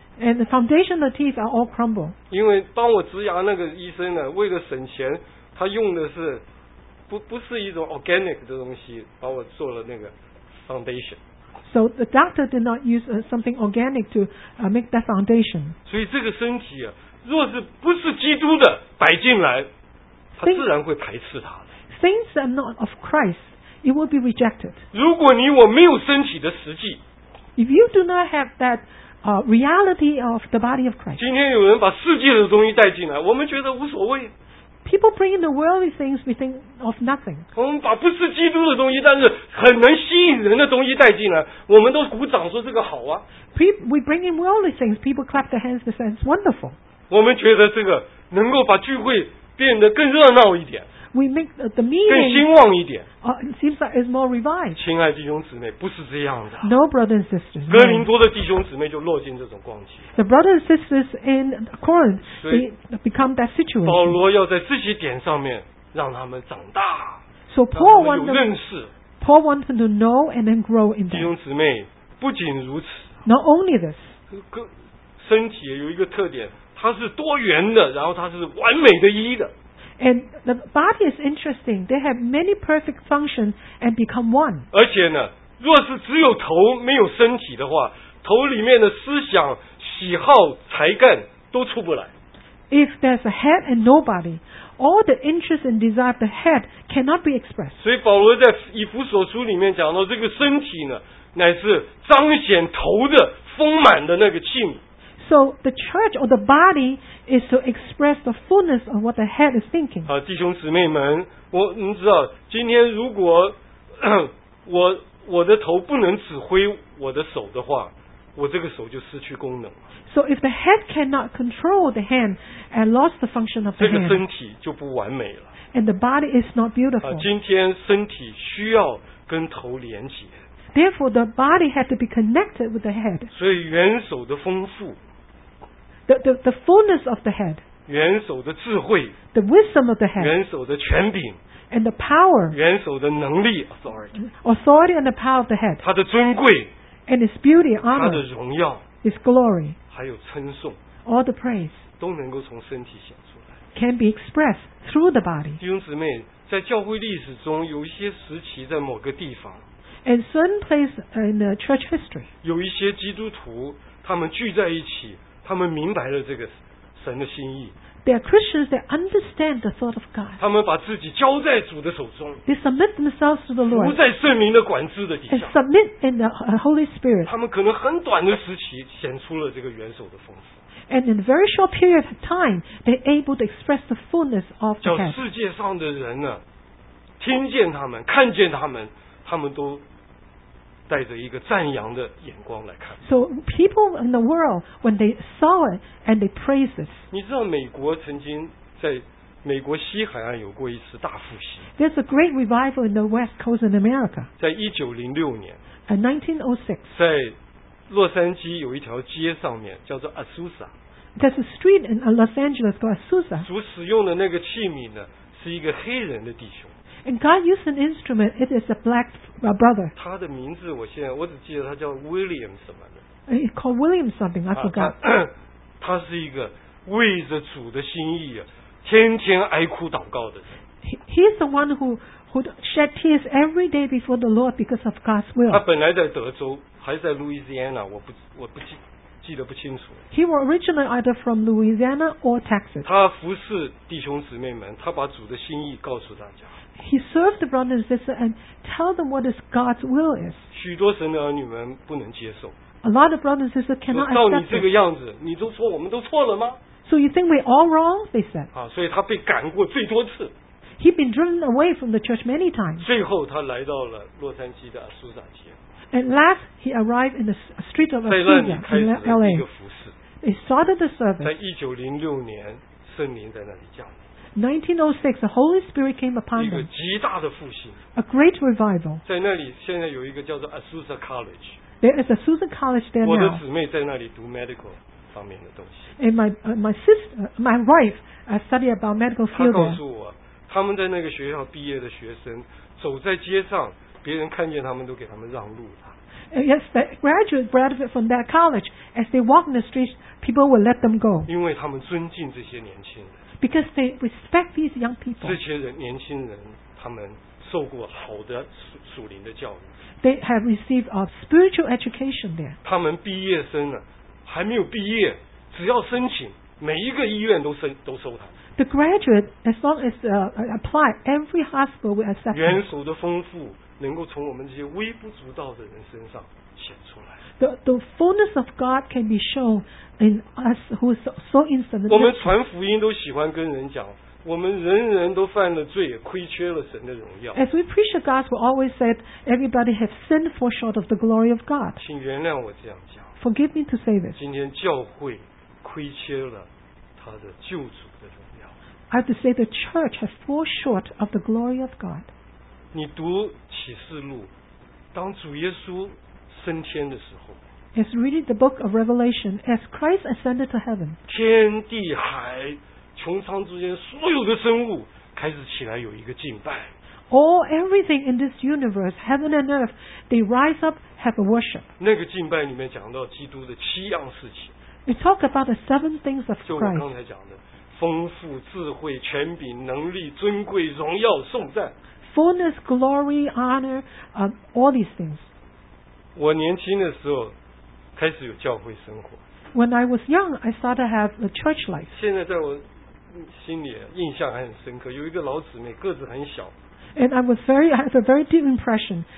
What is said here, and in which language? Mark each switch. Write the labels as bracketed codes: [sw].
[en] And the foundation of the teeth are all crumble. [zh] 因为帮我植牙那个医生呢，为了省钱，他用的是不是一种 organic 的东西，把我做了那个 foundation。 [en] So the doctor did not use something organic to make that foundation. [zh] 所以这个身体啊。若是不是基督的摆进来，他自然会排斥他的。 [en] Things are not of Christ, it will be rejected. [zh] 如果你我没有身体的实际 [en] ，If you do not have that reality of the body of Christ， [zh] 今天有人把世界的东西带进来，我们觉得无所谓。 [en] People bring in the worldly things, we think of nothing. [zh] 我们把不是基督的东西，但是很能吸引人的东西带进来，我们都鼓掌说这个好啊。 [en] We bring in worldly things, people clap their hands and say it's wonderful. [zh] 我们觉得这个能够把聚会变得更热闹一点 [en] We make the meeting, [zh] 更兴旺一点 [en] it seems like it's more revived. [zh] 亲爱的弟兄姊妹不是这样的 [en] No brothers and sisters [zh] 哥林多的弟兄姊妹就落进这种光景 [en] The brothers and sisters in Corinth they become that situation [zh] 保罗要在这些点上面让他们长大 [en] So Paul wanted, [zh] 让他们有认识 [en] Paul wanted to know and then grow in them [zh] 弟兄姊妹不仅如此 [en] Not only this [zh] 身体有一个特点它是多元的，然后它是完美的一的。 [en] And the body is interesting. They have many perfect functions and become one. [zh] 而且呢，若是只有头没有身体的话，头里面的思想、喜好、才干都出不来。 [en] If there's a head and no body, all the interest and desire of the head cannot be expressed. [zh] 所以保罗在以弗所书里面讲到，这个身体呢，乃是彰显头的丰满的那个器皿。 [en] So the church or the body is to express the fullness of what the head is thinking. [zh] 弟兄姊妹们，你知道，今天如果我的头不能指挥我的手的话，我这个手就失去功能了。 [en] So if the head cannot control the hand and lost the function of the hand, [zh] 这个身体就不完美了。 [en] And the body is not beautiful. [zh] 今天身体需要跟头连接。 [en] Therefore, the body had to be connected with the head. [zh] 所以元首的丰富 [en] the fullness of the head. [zh] 元首的智慧 [en] the wisdom of the head. [zh] 元首的权柄 [en] and the power. [zh] 元首的能力 authority. [en] Authority and the power of the head. [zh] 它的尊贵 [en] and its beauty, honor. [zh] 它的荣耀 [en] its glory. [zh] 还有称颂 [en] all the praise. [zh] 都能够从身体显出来 [en] can be expressed through the body. [zh] 弟兄姊妹，在教会历史中有一些时期，在某个地方。 [en] And certain place in the church history. [zh] 有一些基督徒，他们聚在一起，他们明白了这个神的心意。 [en] They are Christians. They understand the thought of God. [zh] 他们把自己交在主的手中。 [en] They submit themselves to the Lord. [zh] 服在圣灵的管制的底下。 [en] And submit in the Holy Spirit. [zh] 他们可能很短的时期显出了这个元首的丰富。 [en] And in a very short period of time, they are able to express the fullness of the head. [zh] 叫世界上的人呢，听见他们，看见他们。他们都带着一个赞扬的眼光来看。 [en] So people in the world, when they saw it and they praised it. [zh] 你知道美国曾经在美国西海岸有过一次大复兴。 [en] There's a great revival in the West Coast in America. [zh] 在1906年。 [en] In 1906. [zh] 在洛杉矶有一条街上面叫做 Azusa。 [en] There's a street in Los Angeles called Azusa. [zh] 主使用的那个器皿呢是一个黑人的弟兄。 [en] And God used an instrument, it is a black brother. [zh] 他的名字我现在我只记得他叫 William 什么的。 [en] He called William something, I forgot. [zh] 他是一个为着主的心意啊。天天哀哭祷告的人。 [en] He's the one who shed tears every day before the Lord because of God's will. [zh] 他本来在德州，还在 Louisiana， 我不记得不清楚。 [en] He was originally either from Louisiana or Texas. [zh] 他服侍弟兄姊妹们，他把主的心意告诉大家。 [en] He served the brothers and sisters and tell them what is God's will is. [zh] 许多神的儿女们不能接受。 [en] A lot of brothers and sisters cannot accept. [zh] 照你这个样子，你都说我们都错了吗？ [en] So you think we're all wrong? They said. [zh] 啊，所以他被赶过最多次。 [en] He'd been driven away from the church many times. [zh] 最后他来到了洛杉矶的苏萨街。 [en] At last, he arrived in the street of Azusa in L.A. [zh] 一个服侍。 [en] He started the service. [zh] 在1906年，圣灵在那里降临。 [en] 1906, the Holy Spirit came upon them. [zh] 一个极大的复兴。 [en] A great revival. [zh] 在那里，现在有一个叫做 Azusa College. [en] There is Azusa College there now. [zh] 我的姊妹在那里读 medical。方面的东西。 [en] And my sister, my wife, study about medical field. [zh] 她告诉我，他们在那个学校毕业的学生，走在街上，别人看见他们都给他们让路的。 [en] Yes, the graduates graduated from that college. As they walk in the streets, people will let them go. [zh] 因为他们尊敬这些年轻人。 [en] Because they respect these young people. [zh] 这些人年轻人，他们受过好的属灵的教育。 [en] They have received a spiritual education there. [zh] 他们毕业生了。还没有毕业，只要申请，每一个医院都收他。 [en] The graduate, as long as apply, every hospital will accept. [zh] 元首的丰富能够从我们这些微不足道的人身上显出来。 [en] The fullness of God can be shown in us who are so insignificant. [zh] 我们传福音都喜欢跟人讲，我们人人都犯了罪，亏缺了神的荣耀。 [en] As we preach the gospel, always said everybody has sinned, fall short of the glory of God. [zh] 请原谅我这样讲。 [en] Forgive me to say this. [zh] 今天教会亏缺了他的救主的荣耀。 [en] I have to say the church has fallen short of the glory of God. [zh] 你读启示录，当主耶稣升天的时候。 [en] As reading the book of Revelation, as Christ ascended to heaven. [zh] 天地海穹苍之间所有的生物开始起来有一个敬拜。 [en] All everything in this universe, heaven and earth, they rise up, have a worship. [zh] 那个敬拜里面讲到基督的七样事情。 [en] We talk about the seven things of Christ. [zh] 就我刚才讲的，丰富、智慧、权柄、能力、尊贵、荣耀、颂赞。 [en] Fullness, glory, honor, all these things. [zh] 我年轻的时候开始有教会生活。 [en] When I was young, I started to have a church life. [zh] 现在在我心里印象还很深刻，有一个老姊妹，个子很小。 [en] And I was very, I had a very deep impression.